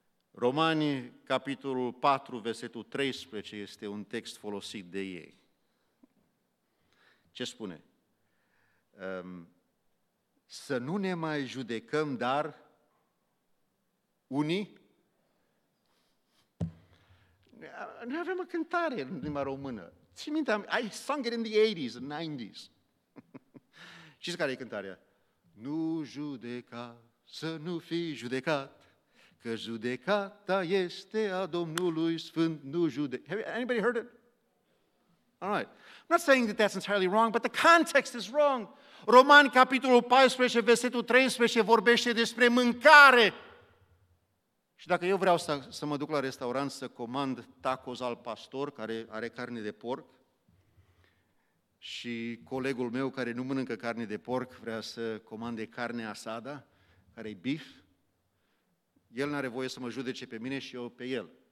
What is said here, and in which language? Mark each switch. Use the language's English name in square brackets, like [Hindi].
[Romanian] Romani, capitolul 4, versetul 13, este un text folosit de ei. Ce spune? Să nu ne mai judecăm, dar unii. Noi avem o cântare în limba română. Ții minte, [English] I sung it in the 80s and 90s. [Romanian] Știți care e cântarea? Nu judeca, să nu fii judecat, că judecata este a Domnului Sfânt, nu judeca. [English] Have anybody heard it? All right. I'm not saying that that's entirely wrong, but the context is wrong. [Romanian] Romani, capitolul 14, versetul 13, vorbește despre mâncare. Și dacă eu vreau să mă duc la restaurant să comand tacos al pastor, care are carne de porc, și colegul meu care nu mănâncă carne de porc vrea să comande carne asada, care e beef, el n-are voie să mă judece pe mine și eu pe el.